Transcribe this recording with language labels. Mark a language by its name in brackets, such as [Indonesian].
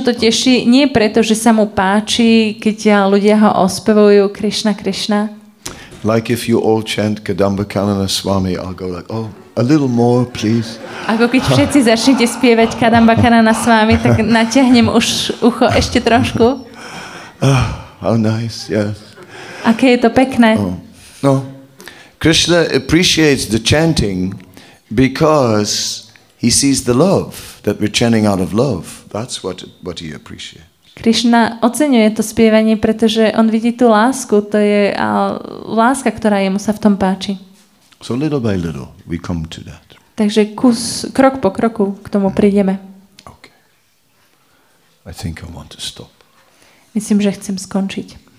[Slovak] to teší nie preto, že sa mu páči, keď ľudia ho ospevujú Krishna. [English] Like if you all chant Kadambakanana Swami, I'll go like, oh, a little more, please. [Slovak] Ako keď všetci začnete spievať Kadambakanana Swami, tak natiahnem už ucho ešte trošku. [English] How nice, yes. [Slovak] Aké je to pekné. [English] Oh. No. Krishna appreciates the chanting because he sees the love that we're chanting out of love. That's what he appreciates. [Slovak] Krishna oceňuje to spievanie, pretože on vidí tú lásku, to je láska, ktorá jemu sa v tom páči. [English] So little by little we come to that. [Slovak] Takže krok po kroku k tomu prídeme. [English] Okay. I think I want to stop. [Slovak] Myslím, že chcem skončiť.